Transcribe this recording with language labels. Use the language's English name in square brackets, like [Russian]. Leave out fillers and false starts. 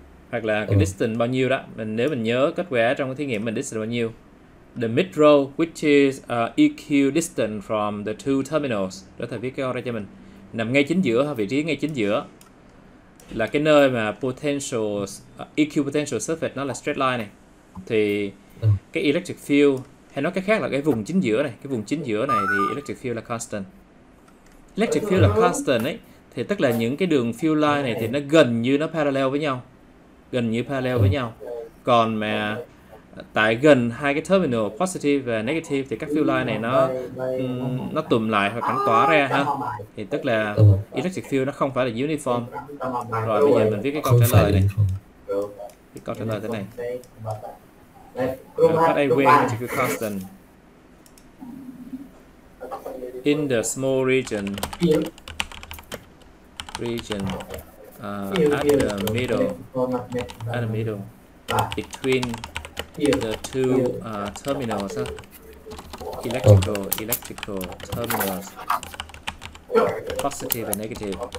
[Vietnamese] Hoặc là cái distance bao nhiêu đó. Mình nếu mình nhớ kết quả trong cái thí nghiệm mình distance bao nhiêu. [English] The mid row which is EQ distance from the two terminals. [Vietnamese] Đó thầy viết cái ra cho mình. Nằm ngay chính giữa, vị trí ngay chính giữa là cái nơi mà EQ potential surface nó là straight line này. Thì cái electric field hay nói cách khác là cái vùng chính giữa này, cái vùng chính giữa này thì electric field là constant. Electric field là constant ấy thì tức là những cái đường field line này thì nó gần như nó parallel với nhau. Gần như parallel với nhau. Còn mà tại gần hai cái terminal positive và negative thì các field line này nó tụm lại hoặc cắn tỏa ra ha. Thì tức là electric field nó không phải là uniform. Rồi bây giờ mình viết cái câu trả lời này. Cái câu trả lời thế này. [English] Phát A where electric field constant in the small region region at the middle between the two terminals electrical terminals positive and negative.